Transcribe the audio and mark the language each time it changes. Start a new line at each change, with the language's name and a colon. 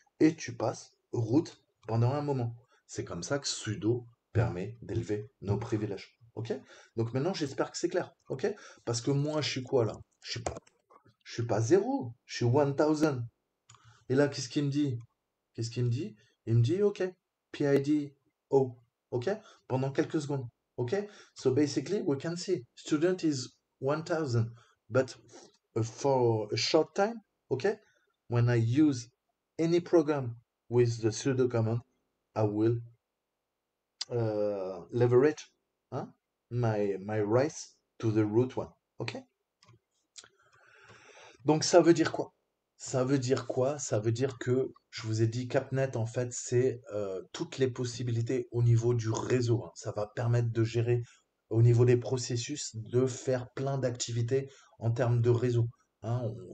French: Et tu passes root pendant un moment. C'est comme ça que sudo permet d'élever nos privilèges. Okay? Donc maintenant, j'espère que c'est clair. Okay? Parce que moi, je suis quoi là? Je suis pas zéro, je suis 1000. Et là, qu'est-ce qu'il me dit? Qu'est-ce qu'il me dit? Il me dit, OK, PID, O, okay? Pendant quelques secondes. Okay?
English: So basically, we can see, student is 1000, but for a short time, okay? When I use any program with the sudo command, I will leverage. Hein? My rights to the root one. OK?
French: Donc, ça veut dire quoi? Ça veut dire quoi? Ça veut dire que je vous ai dit CapNet, en fait, c'est toutes les possibilités au niveau du réseau. Hein. Ça va permettre de gérer au niveau des processus, de faire plein d'activités en termes de réseau. Hein.